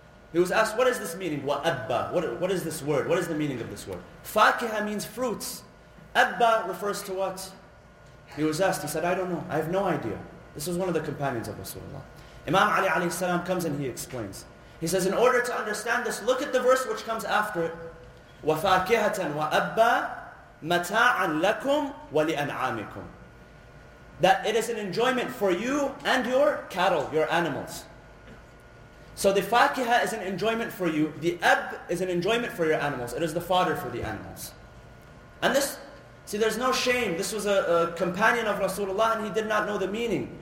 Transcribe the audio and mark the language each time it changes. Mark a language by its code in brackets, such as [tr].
[en] He was asked, what is this meaning? Wa'abba. What is this word? What is the meaning of this word? Fakiha means fruits. Abba refers to what? He was asked, he said, I don't know. I have no idea. This was one of the companions of Rasulullah. Imam Ali alayhi salam comes and he explains. He says, in order to understand this, look at the verse which comes after it. [ar] وفاكهة وأبا متاعا لكم ولأنعامكم. [en] That it is an enjoyment for you and your cattle, your animals. So the fakiha is an enjoyment for you. The ab is an enjoyment for your animals. It is the fodder for the animals. And this, see, there's no shame. This was a companion of Rasulullah and he did not know the meaning.